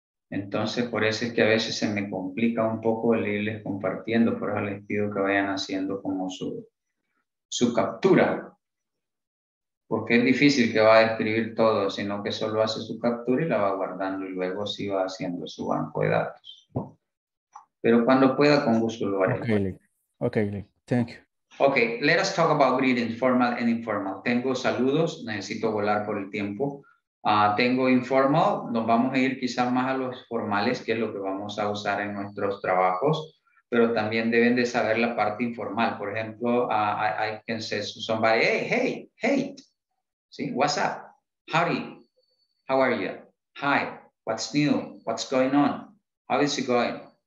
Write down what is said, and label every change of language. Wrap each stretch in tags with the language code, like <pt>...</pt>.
<es>Entonces, por eso es que a veces se me complica un poco el irles compartiendo, por eso les pido que vayan haciendo como su captura. Porque es difícil que va a escribir todo, sino que solo hace su captura y la va guardando y luego sí va haciendo su banco de datos. Pero cuando pueda, con gusto lo haré.</es> <en>Okay, Lee. Thank you. Okay, let us talk about greeting, formal and informal.</en> <es>Tengo saludos, necesito volar por el tiempo. Tengo informal, nos vamos a ir quizás más a los formales, que es lo que vamos a usar en nuestros trabajos, pero también deben de saber la parte informal. Por ejemplo,</es> <en>I can say to somebody, hey, ¿sí? What's up? Howdy. How are you? Hi. What's new? What's going on? How is it going?</en>